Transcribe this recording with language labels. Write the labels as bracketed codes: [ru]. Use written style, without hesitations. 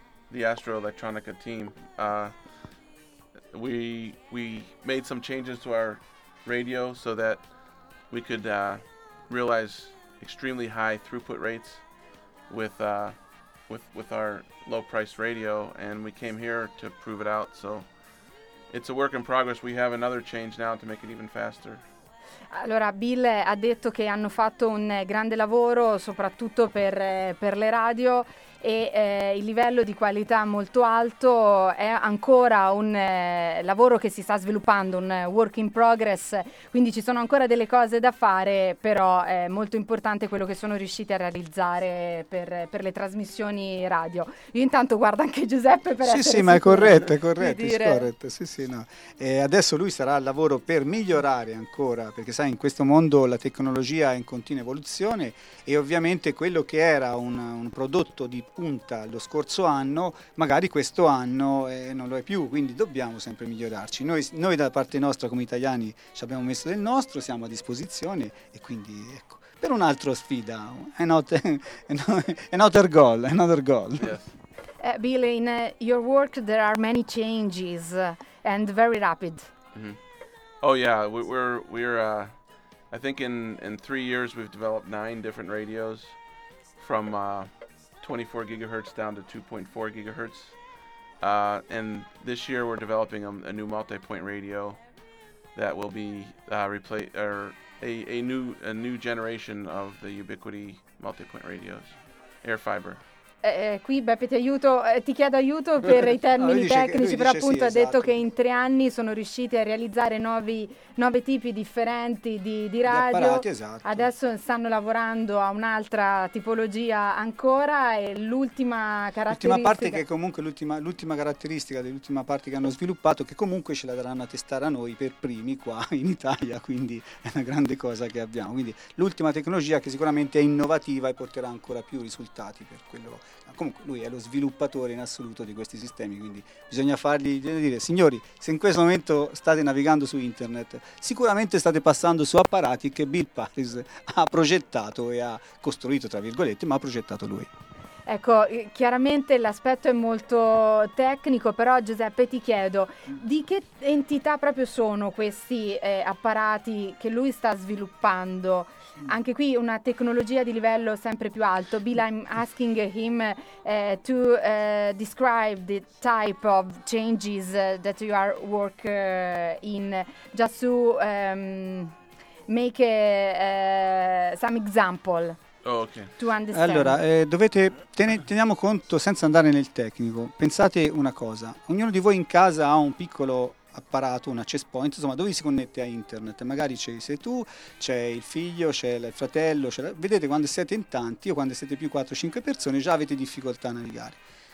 [en] the Astro Electronica team. We made some changes to our radio so that we could realize extremely high throughput rates with our low-priced radio, and we came here to prove it out. So it's a work in progress. We have another change now to make it even faster. [it] Allora, Bill ha detto che hanno fatto un grande lavoro, soprattutto per le radio, e il livello di qualità molto alto. È ancora un lavoro che si sta sviluppando, un work in progress, quindi ci sono ancora delle cose da fare, però è molto importante quello che sono riusciti a realizzare per le trasmissioni radio. Io intanto guardo anche Giuseppe per essere sicuro. Sì, ma è corretto. Sì, no. E adesso lui sarà al lavoro per migliorare ancora, perché sai, in questo mondo la tecnologia è in continua evoluzione, e ovviamente quello che era un prodotto di punta lo scorso anno, magari questo anno non lo è più, quindi dobbiamo sempre migliorarci. Noi da parte nostra, come italiani, ci abbiamo messo del nostro, siamo a disposizione, e quindi ecco, per un'altra sfida, [en] another goal. Yes. Bill, in your work there are many changes and very rapid. Mm-hmm. Oh yeah, we're I think in 3 years we've developed 9 different radios from 24 gigahertz down to 2.4 gigahertz. And this year we're developing a new multi-point radio that will be a new generation of the Ubiquiti multi-point radios, air fiber. [it] Qui Beppe ti chiedo aiuto per i termini tecnici, però appunto sì, ha detto che in 3 anni sono riusciti a realizzare nove tipi differenti di radio. Apparati, esatto. Adesso stanno lavorando a un'altra tipologia ancora, e l'ultima caratteristica. L'ultima parte, che è comunque l'ultima caratteristica dell'ultima parte che hanno sviluppato, che comunque ce la daranno a testare a noi per primi qua in Italia, quindi è una grande cosa che abbiamo. Quindi l'ultima tecnologia che sicuramente è innovativa e porterà ancora più risultati per quello. Comunque lui è lo sviluppatore in assoluto di questi sistemi, quindi bisogna fargli dire: signori, se in questo momento state navigando su internet, sicuramente state passando su apparati che Bill Paris ha progettato e ha costruito, tra virgolette, ma ha progettato lui. Ecco, chiaramente l'aspetto è molto tecnico, però Giuseppe, ti chiedo, di che entità proprio sono questi apparati che lui sta sviluppando? Anche qui una tecnologia di livello sempre più alto. [en] Bill, I'm asking him to describe the type of changes that you are work in, just to make some example. Oh, okay. To understand. [it] Allora, teniamo conto, senza andare nel tecnico, pensate una cosa: ognuno di voi in casa ha un piccolo apparato, un access point, insomma, dove si connette a internet. Magari ci sei tu, c'è il figlio, c'è il fratello, vedete, quando siete in tanti o quando siete più 4-5 persone già avete difficoltà a navigare.